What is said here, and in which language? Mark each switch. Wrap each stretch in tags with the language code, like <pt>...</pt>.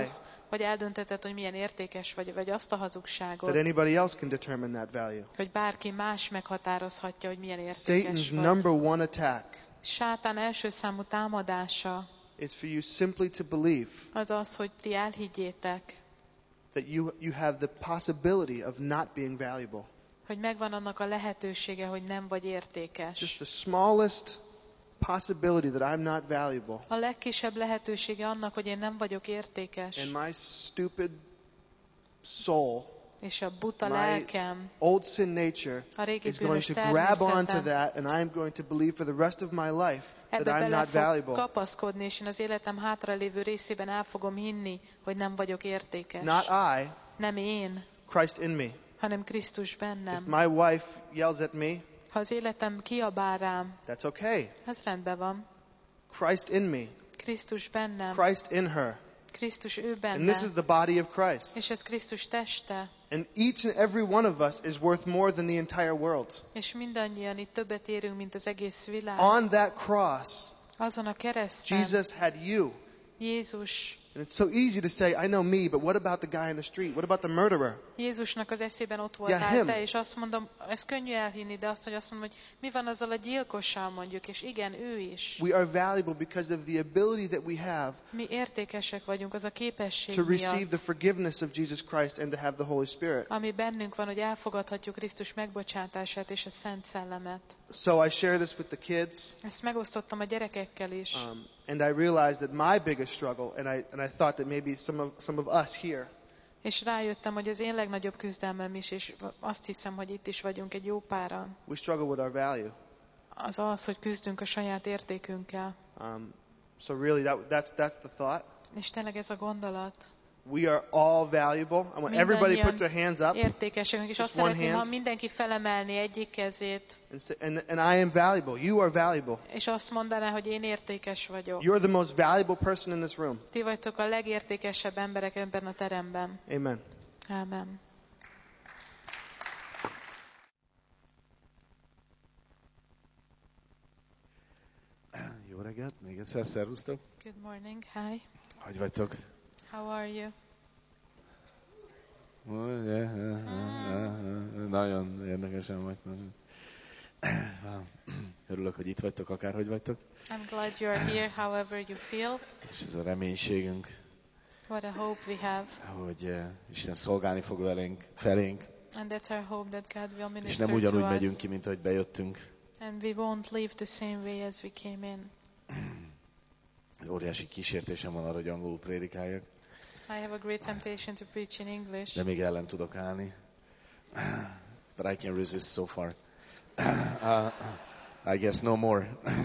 <hu>az, hogy eldöntheted, hogy milyen értékes vagy, vagy azt a hazugságot.</hu> <en>That anybody else can determine that value.</en> <hu>Hogy bárki más meghatározhatja, hogy milyen értékes</hu> <en>Satan's</en> <hu>vagy.</hu> <en>Number one attack.</en> <hu>Sátán első számú támadása.</hu> <en>Is for you simply to believe.</en> <hu>Az az, hogy ti elhiggyétek.</hu> <en>That you have the possibility of not being valuable.</en> <hu>Hogy megvan annak a lehetősége, hogy nem vagy értékes.</hu> <en>Just the smallest possibility that I'm not valuable.</en> <hu>A legkisebb lehetősége annak, hogy én nem vagyok értékes.</hu> <en>And my stupid soul,</en> <hu>és a buta lelkem,</hu> <en>old sin nature,</en> <hu>a régi</hu> <en>is going to grab onto that, and I'm going to believe for the rest of my life that I'm not valuable.</en> <hu>Ebbe bele fog kapaszkodni, és én az életem hátralévő részében el fogom hinni, hogy nem vagyok értékes.</hu> <en>Not I.</en> <hu>Nem én.</hu> <en>Christ in me.</en> <hu>Hanem Krisztus bennem.</hu> <en>If my wife yells at me,</en> <hu>ha az életem kiabál rám,</hu> <en>that's okay.</en> <hu>Ez rendben van.</hu> <en>Christ in me.</en> <hu>Krisztus bennem.</hu> <en>Christ in her.</en> <hu>Krisztus ő benne.</hu> <en>And this is the body of Christ.</en> <hu>És ez Krisztus teste.</hu> <en>And each and every one of us is worth more than the entire world.</en> <hu>És mindannyian itt többet érünk, mint az egész világ.</hu> <en>On that cross,</en> <hu>azon a kereszten,</hu> <en>Jesus had you.</en> <hu>Jézus.</hu> <en>And it's so easy to say, I know me, but what about the guy in the street? What about the murderer?</en> <hu>Jézusnak az eszében ott voltál te, és azt mondom, ez könnyű elhinni, de azt, hogy azt mondom, hogy mi van azzal a gyilkossal mondjuk, és igen, ő is.</hu> <en>We are valuable because of the ability that we have.</en> <hu>Mi értékesek vagyunk, az a képesség miatt.</hu> <en>To receive the forgiveness of Jesus Christ and to have the Holy Spirit.</en> <hu>Ami bennünk van, hogy elfogadhatjuk Krisztus megbocsátását és a Szent Szellemet.</hu> <en>So I share this with the kids.</en> <hu>Ezt megosztottam a gyerekekkel is.</hu> <en>And I realized that my biggest struggle, and I thought that maybe some of us here.</en> <hu>És rájöttem, hogy az én legnagyobb küzdelmem is, és azt hiszem, hogy itt is vagyunk egy jó páran.</hu> <en>We struggle with our value.</en> <hu>Az, hogy küzdünk a saját értékünkkel.</hu> <en>So really, that's the thought.</en> <hu>És tényleg ez a gondolat.</hu> <en>We are all valuable. I want everybody put their hands up.</en> <hu>Értékesek, és azt szeretném, ha mindenki felemelni egyik kezét.</hu> <en>And I am valuable. You are valuable.</en> <hu>És azt mondaná, hogy én értékes vagyok.</hu> <en>You're the most valuable person in this room.</en> <hu>Ti vagytok a legértékesebb emberek ebben a teremben.</hu> <en>Amen.</en> <hu>Amen. Jó reggelt, még egyszer szervusztok.</hu> <en>Good morning. Hi.</en> <hu>Hogy vagytok?</hu> <en>How are you? Oh, yeah.</en> <hu>Nagyon érdekesen vagytok. Örülök, hogy itt vagytok, akárhogy vagytok.</hu> <en>I'm glad you are here, however you feel.</en> <hu>És ez a reménységünk.</hu> <en>What a hope we have.</en> <hu>Hogy Isten szolgálni fog velünk, felénk.</hu> <en>And that's our hope that God will minister to us.</en> <hu>És nem ugyanúgy megyünk ki, mint ahogy bejöttünk.</hu> <en>And we won't leave the same way as we came in.</en> <hu>Óriási kísértésem van arra, hogy angolul prédikáljak.</hu> <en>I have a great temptation to preach in English.</en> <hu>De még ellen tudok állni.</hu> <en>But I can resist so far. I guess no more.</en>